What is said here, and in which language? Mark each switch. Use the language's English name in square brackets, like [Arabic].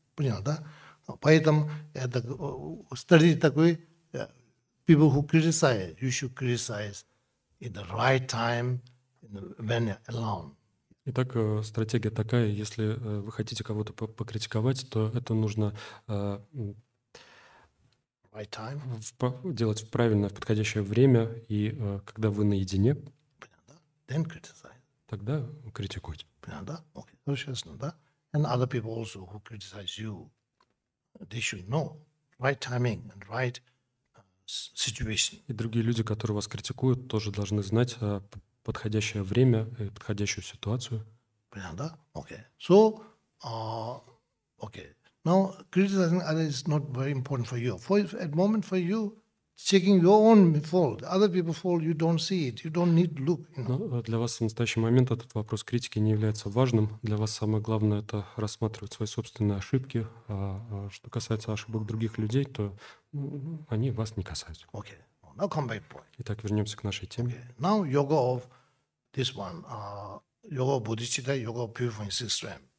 [Russian] Понятно, да? Поэтому это стратегия такой, [English] people who criticize, you should criticize in the right time, when you're alone. [Russian] Итак, стратегия такая, если вы хотите кого-то покритиковать, то это нужно [English] right time. [Russian] Делать в правильное, в подходящее время, и когда вы наедине, [English] then criticize. [Russian] Тогда критикуйте. Понятно? Окей, okay. Хорошо, ясно, да? [English] And other people also who criticize you, they should know right timing and right situation. [Russian] И другие люди, которые вас критикуют, тоже должны знать подходящее время и подходящую ситуацию. Понятно, да? Okay. So, okay. [English] Now, criticizing others is not very important for you. For at the moment, for you, checking your own fault, other people's fault, you don't see it, you don't need to look. You know? [Russian] Но для вас в настоящий момент этот вопрос критики не является важным. Для вас самое главное — это рассматривать свои собственные ошибки. А что касается ошибок других людей, то они вас не касаются. [English] Okay. Well, now come back point. [Russian] Итак, вернемся к нашей теме. [English] Okay. Now yoga of this one, yoga bodhicitta, yoga purifying six realms.